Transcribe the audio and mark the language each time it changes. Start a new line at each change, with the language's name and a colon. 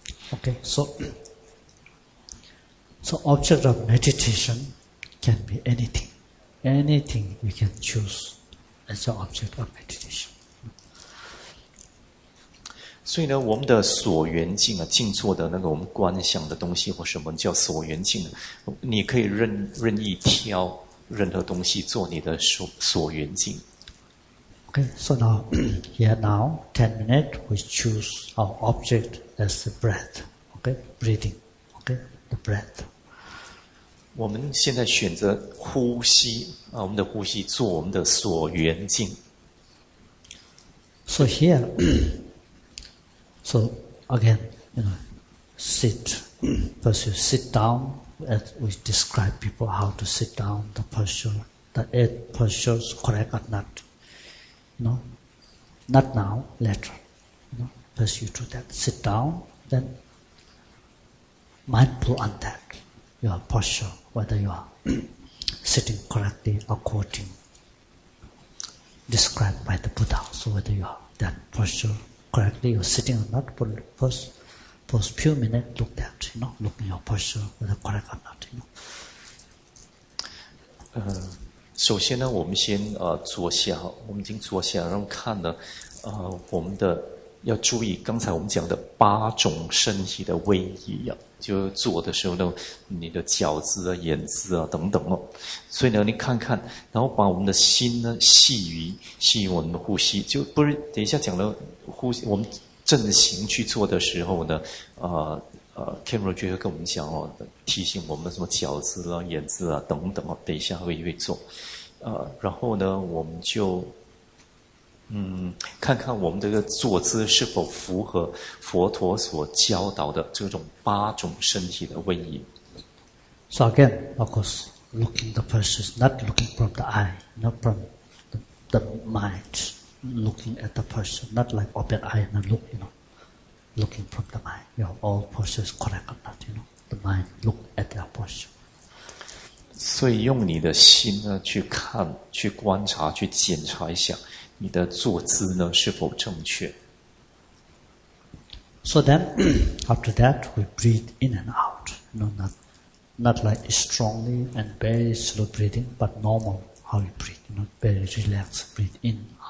English: Okay, so object of meditation can be anything, anything we can choose as an object of meditation.
Chinese: 所以呢，我们的所缘境啊，静坐的那个我们观想的东西或什么叫所缘境，你可以任意挑。任何东西做你的所缘境。
English: Okay, so now, here now, 10 minutes, we choose our object as the breath. Okay, breathing. Okay, the breath.
Chinese: 我们现在选择呼吸，我们的呼吸做我们的所缘境。
English: So here, so again, you know, sit. First you sit down. As we describe people how to sit down, the posture, the 8 postures, correct or not. No? Not now, later. No? First you do that, sit down, then mindful on that, your posture, whether you are sitting correctly according, described by the Buddha. So whether you are that posture correctly, you are sitting or not, first few minutes, look at, you know, look at your posture, whether correct or not, you know.
Chinese: 首先呢，我们先坐下，我们已经坐下，然后看呢，我们的要注意刚才我们讲的八种身体的位移啊，就坐的时候呢，你的脚姿啊、眼姿啊等等哦。所以呢，你看看，然后把我们的心呢细于我们的呼吸，就不是等一下讲了呼吸我们。正行去做的时候呢，Cameron 就会跟我们讲哦，提醒我们什么脚姿啊、眼姿啊等等哦，等一下会做，然后呢，我们就看看我们这个坐姿是否符合佛陀所教导的这种八种身体的位移。
English: So again, of course, looking the person, not looking from the eye, not from the mind. Looking at the person, not like open eye and look, you know. Looking from the mind, you know, all postures correct or not, you know. The mind look at their posture.
Chinese: 所以用你的心呢去看、去观察、去检查一下你的坐姿呢是否正确。
English: So then, after that, we breathe in and out, you know, not like strongly and very slow breathing, but normal how you breathe, you know, very relaxed breathe in.